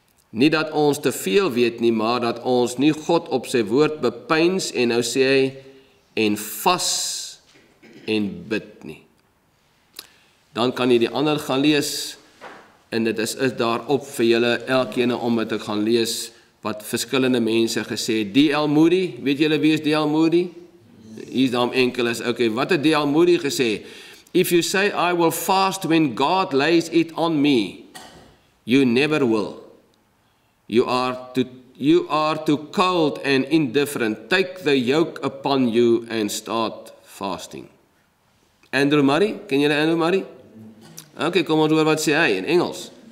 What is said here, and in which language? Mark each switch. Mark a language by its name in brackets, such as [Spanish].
[Afrikaans] Nie dat ons te veel weet nie, maar dat ons nie God op sy woord bepeins en nou sê hy, en vas en bid nie. Dan kan jy die ander gaan lees, en dit is daarop vir julle elkeen om het te gaan lees, wat verskillende mense gesê, D.L. Moody, weet julle wie is D.L. Moody? Hier is daarom enkel is, okay, wat het D.L. Moody gesê? [English] If you say I will fast when God lays it on me, you never will. You are too cold and indifferent. Take the yoke upon you and start fasting. [Afrikaans] Andrew Murray, ken julle Andrew Murray? Okay, kom ons hoor wat sê hy in Engels.